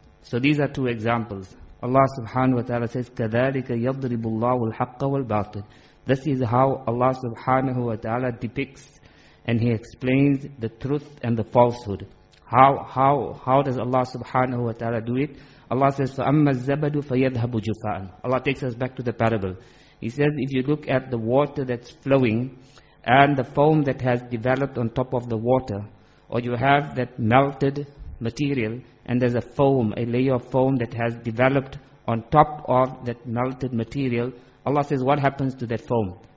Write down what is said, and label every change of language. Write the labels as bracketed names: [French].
[English] So these are two examples. Allah subhanahu wa ta'ala says, [Arabic] كَذَلِكَ يَضْرِبُ اللَّهُ الْحَقَّ وَالْبَاطِلِ. [English] This is how Allah subhanahu wa ta'ala depicts and he explains the truth and the falsehood. How does Allah subhanahu wa ta'ala do it? Allah says, [Arabic] فَأَمَّا الزَّبَدُ فَيَذْهَبُ جُفَاءً. [English] Allah takes us back to the parable. He says, if you look at the water that's flowing and the foam that has developed on top of the water, or you have that melted material, and there's a foam, a layer of foam that has developed on top of that melted material, Allah says, what happens to that foam?